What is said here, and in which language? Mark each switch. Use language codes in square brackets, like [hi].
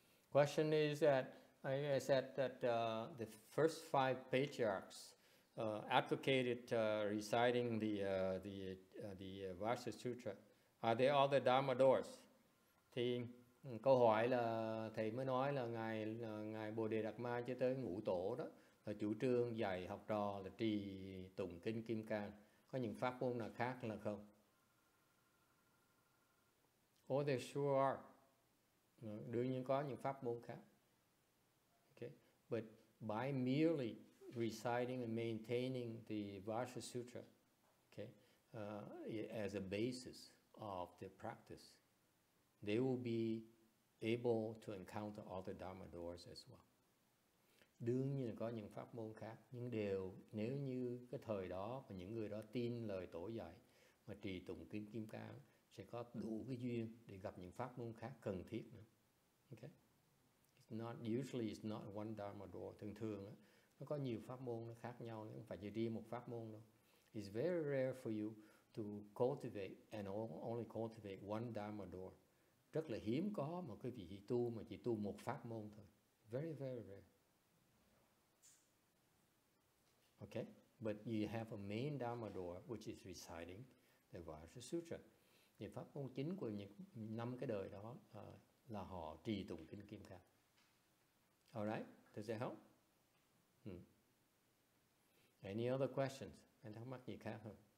[en] Question is that I said that the first five patriarchs advocated reciting the Vajra Sutra. Are they all the Dharma doors? [vi] Thì câu hỏi là thầy mới nói là ngài Bồ Đề Đạt Ma cho tới ngũ tổ đó là chủ trương dạy học trò là trì tụng kinh Kim Cang. Có những pháp môn nào khác là không? [en] Oh, they sure are. [vi] Đương nhiên có những pháp môn khác. [en] Okay. But by merely reciting and maintaining the Vajra Sutra, okay, as a basis of the practice, they will be able to encounter all the Dharma doors as well. [vi] Đương nhiên có những pháp môn khác, nhưng đều nếu như cái thời đó mà những người đó tin lời tổ dạy mà trì tụng kinh Kim Cang sẽ có đủ cái duyên để gặp những pháp môn khác cần thiết nữa. [en] Okay, it's not one Dharma door. [vi] Thường thường á, nó có nhiều pháp môn nó khác nhau, nó không phải chỉ riêng một pháp môn đâu. [en] It's very rare for you to cultivate and only cultivate one Dharma door. [vi] Rất là hiếm có mà quý vị tu mà chỉ tu một pháp môn thôi. [en] Very very rare. Okay, but you have a main Dharma door which is reciting the Vajra Sutra. [vi] Thì pháp môn chính của những năm cái đời đó là họ trì tụng kinh Kim Cang. [en] All right, does that help? Any other questions? [vi] Anh thắc mắc gì khác không?